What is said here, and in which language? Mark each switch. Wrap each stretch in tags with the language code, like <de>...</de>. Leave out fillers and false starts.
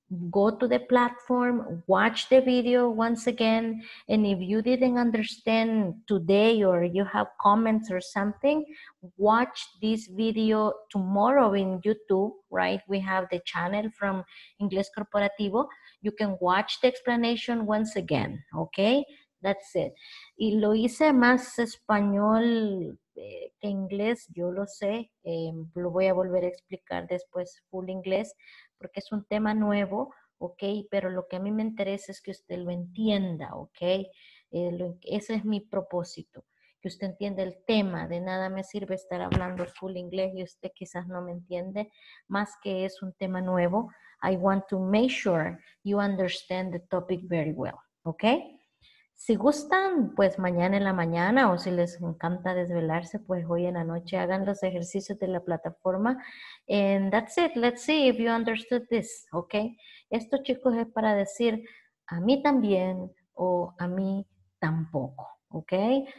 <en>go to the platform, watch the video once again, and if you didn't understand today or you have comments or something, watch this video tomorrow in YouTube, right? We have the channel from Ingles Corporativo. You can watch the explanation once again, okay? That's it.</en> <es>Y lo hice más español que inglés, yo lo sé. Lo voy a volver a explicar después full inglés, porque es un tema nuevo, ¿ok? Pero lo que a mí me interesa es que usted lo entienda, ¿ok? Ese es mi propósito, que usted entienda el tema. De nada me sirve estar hablando full inglés y usted quizás no me entiende, más que es un tema nuevo.</es> <en>I want to make sure you understand the topic very well, ¿ok?</en> <es>Si gustan, pues mañana en la mañana, o si les encanta desvelarse, pues hoy en la noche hagan los ejercicios de la plataforma.</es> <en>And that's it. Let's see if you understood this,</en> <es>okay? Esto, chicos, es para decir a mí también o a mí tampoco, okay?</es>